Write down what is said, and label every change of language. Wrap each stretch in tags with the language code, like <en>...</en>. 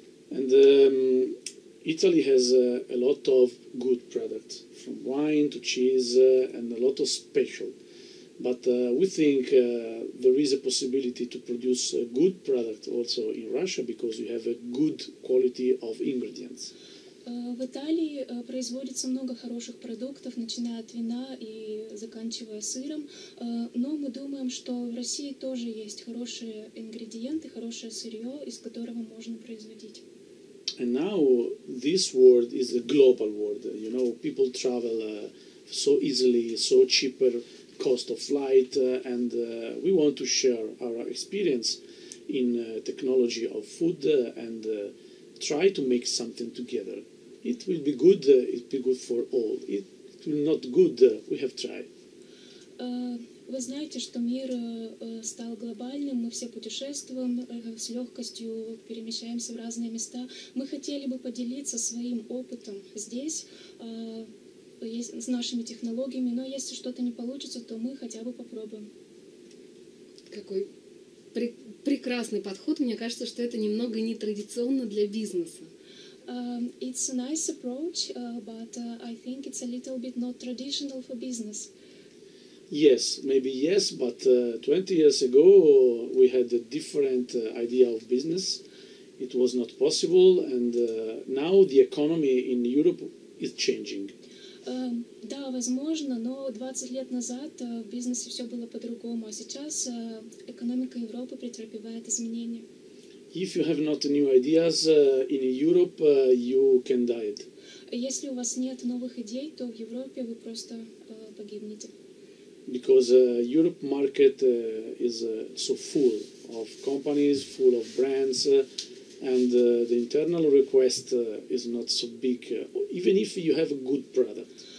<en>And Italy has a lot of good products, from wine to cheese, and a lot of special. But we think there is a possibility to produce a good product also in Russia because we have a good quality of ingredients.</en> <ru>В Италии производится много хороших продуктов, начиная от вина и заканчивая сыром. Но мы думаем, что в России тоже есть хорошие ингредиенты, хорошее сырье, из которого можно производить.</ru> <en>And now this world is a global world. You know, people travel so easily, so cheaper cost of flight, and we want to share our experience in technology of food and try to make something together. It will be good. It will be good for all. It will not good. We have tried.</en> <ru>Вы знаете, что мир стал глобальным. Мы все путешествуем с легкостью, перемещаемся в разные места. Мы хотели бы поделиться своим опытом здесь, с нашими технологиями, но если что-то не получится, то мы хотя бы попробуем. Какой прекрасный подход. Мне кажется, что это немного нетрадиционно для бизнеса.</ru> <en>It's a nice approach, but I think it's a little bit not traditional for business. Yes, maybe yes, but 20 years ago we had a different idea of business. It was not possible, and now the economy in Europe is changing.</en> <ru>Да, возможно, но 20 лет назад в бизнесе все было по-другому, а сейчас экономика Европы претерпевает изменения.</ru> <en>If you have not new ideas in Europe, you can die.</en> <ru>Если у вас нет новых идей, то в Европе вы просто погибнете.</ru> <en>Because Europe market is so full of companies, full of brands, and the internal request is not so big, even if you have a good product.</en>